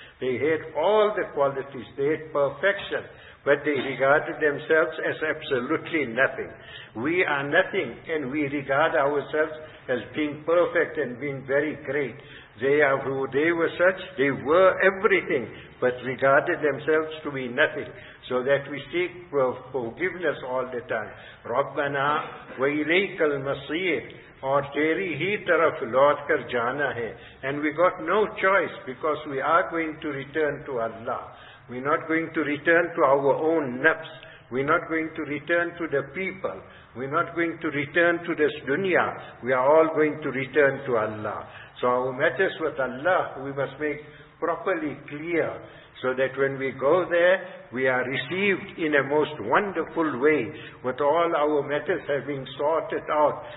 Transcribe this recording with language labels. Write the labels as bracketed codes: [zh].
[en] They had all the qualities, they had perfection, but they regarded themselves as absolutely nothing. We are nothing, and we regard ourselves as being perfect and being very great. They are who they were such, they were everything, but regarded themselves to be nothing. So that we seek for forgiveness all the time. [ar] رَبَّنَا وَإِلَيْكَ الْمَصِيرِ [ur] اور تیری ہی طرف لوٹ کر جانا ہے. [en] And we got no choice because we are going to return to Allah. We're not going to return to our own nafs. We're not going to return to the people. We're not going to return to this dunya. We are all going to return to Allah. So our matters with Allah, we must make properly clear so that when we go there, we are received in a most wonderful way with all our matters having sorted out.